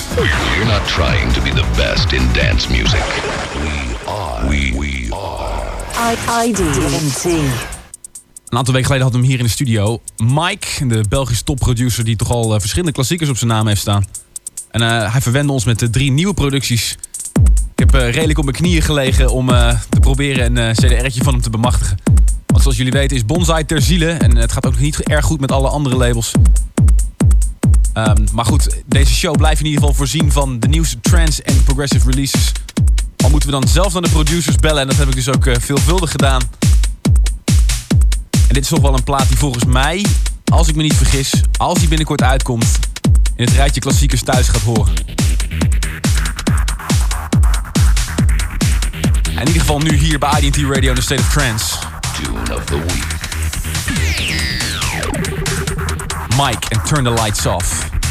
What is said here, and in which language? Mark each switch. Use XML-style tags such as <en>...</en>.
<en>We're not trying to be the best in dance music. We are. ID&T.</en> <nl>Een aantal weken geleden hadden we hem hier in de studio. Mike, de Belgische topproducer die toch al verschillende klassiekers op zijn naam heeft staan. En hij verwende ons met 3 nieuwe producties. Ik heb redelijk op mijn knieën gelegen om te proberen een CDR'tje van hem te bemachtigen. Want zoals jullie weten is Bonsai ter ziele. En het gaat ook nog niet erg goed met alle andere labels. Maar goed, deze show blijft in ieder geval voorzien van de nieuwste trance en progressive releases. Al moeten we dan zelf naar de producers bellen. En dat heb ik dus ook veelvuldig gedaan. En dit is toch wel een plaat die volgens mij, als ik me niet vergis, als die binnenkort uitkomt, in het rijtje klassiekers thuis gaat horen. En in ieder geval nu hier bij ID&T Radio in The State of Trance.</nl> <en>Tune of the week. Mike and Turn the Lights Off.</en>